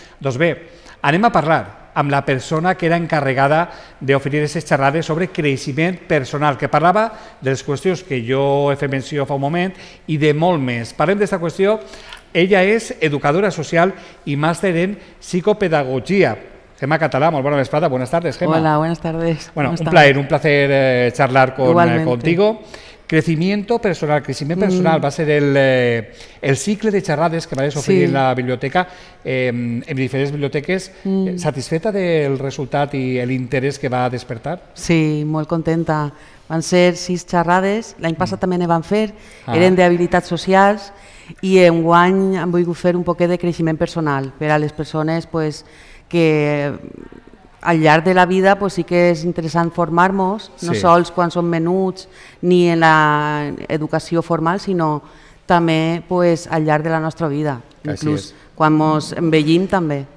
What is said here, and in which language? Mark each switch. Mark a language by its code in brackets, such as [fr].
[ca] Doncs bé, anem a parlar amb la persona que era encarregada d'oferir aquestes xerrades sobre creixement personal, que parlava de les qüestions que jo he fet menció fa un moment i de molt més. Parlem d'aquesta qüestió. Ella és educadora social i màster en psicopedagogia. Gemma Català, molt bona vesprada. [es] Buenas tardes, Gemma. Hola, buenas tardes. Bueno, un placer charlar contigo. Crecimiento personal, crecimiento personal va a ser el cicle de charlades que vais a ofrecer en la biblioteca, en diferentes bibliotecas. ¿Satisfeta del resultado y el interés que va a despertar? Sí, muy contenta. [ca] Van ser 6 charrades, l'any passat també n'hi van fer, eren d'habilitats socials i enguany han volgut fer un poquet de creixement personal per a les persones pues, que al llarg de la vida pues, sí que és interessant formar-nos, no sols quan som menuts ni en l'educació formal, sinó també pues, al llarg de la nostra vida, inclús quan ens envellim també.